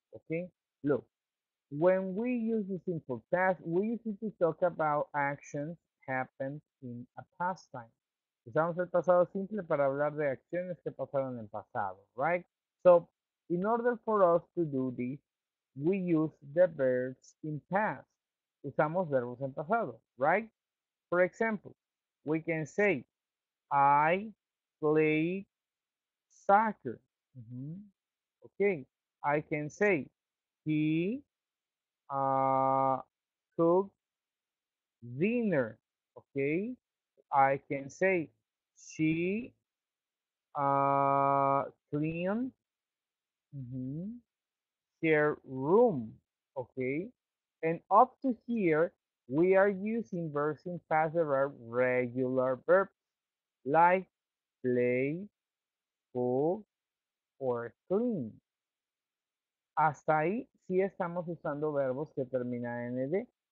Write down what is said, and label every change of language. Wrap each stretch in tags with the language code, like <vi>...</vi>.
<en>Okay, look, when we use the simple past, we usually talk about actions happened in a past time.</en> <es>Usamos el pasado simple para hablar de acciones que pasaron en pasado, right?</es> <en>So in order for us to do this, we use the verbs in past.</en> <es>Usamos verbos en pasado,</es> <en>right? For example, we can say, I played soccer. Mm-hmm. Okay, I can say, he cooked dinner. Okay, I can say, she cleaned their room. Okay, and up to here, we are using verbs in past that are regular verbs, like play, cook, or clean.</en> <es>Hasta ahí sí estamos usando verbos que terminan en ed.</es>